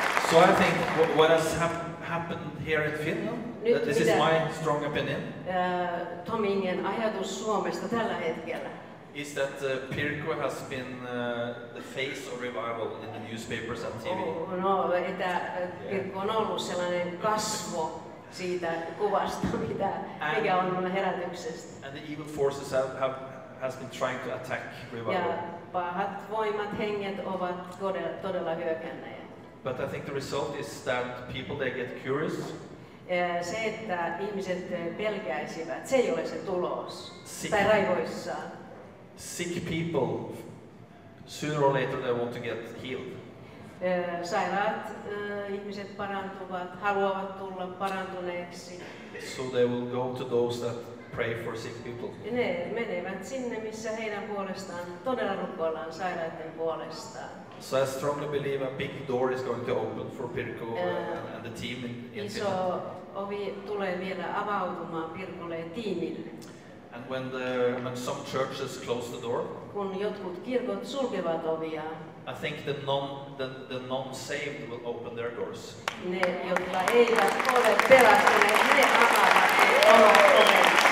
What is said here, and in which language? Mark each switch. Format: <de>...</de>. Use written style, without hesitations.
<en>So I think what has happened here in Finland, that this is my strong opinion.</en> <fi>Tomingin ajatus Suomesta tällä hetkellä.</fi> <en>Is that Pirko has been the face of revival in the newspapers and TV.</en> <fi>Oh, no, että Pirko on ollut sellainen kasvo siitä kuvasta, mikä on herätyksestä.</fi> <en>And the evil forces has been trying to attack revival.</en> <fi>Ja pahat voimat, henget ovat todella hyökänneet.</fi> <en>But I think the result is that people, they get curious.</en> <fi>se, että ihmiset pelkäisivät, se ei ole se tulos. Sick. Tai raivoissaan.</fi> <en>Sick people, sooner or later they want to get healed.</en> <fi>Sairaat ihmiset parantuvat, haluavat tulla parantuneeksi.</fi> <en>So they will go to those that pray for sick people.</en> <fi>Ne menevät sinne, missä heidän puolestaan todella rukoillaan sairaiden puolestaan.</fi> <en>So I strongly believe a big door is going to open for Pirkko and the team in Finland.</en> <fi>Iso ovi tulee vielä avautumaan Pirkolle ja tiimille.</fi> <en>And when some churches close the door,</en> <fi>kun jotkut kirkot sulkevat ovia,</fi> <en>I think the non-saved will open their doors.</en> <fi>Ne, jotka eivät ole pelastuneet, ne avaavat ovensa.</fi>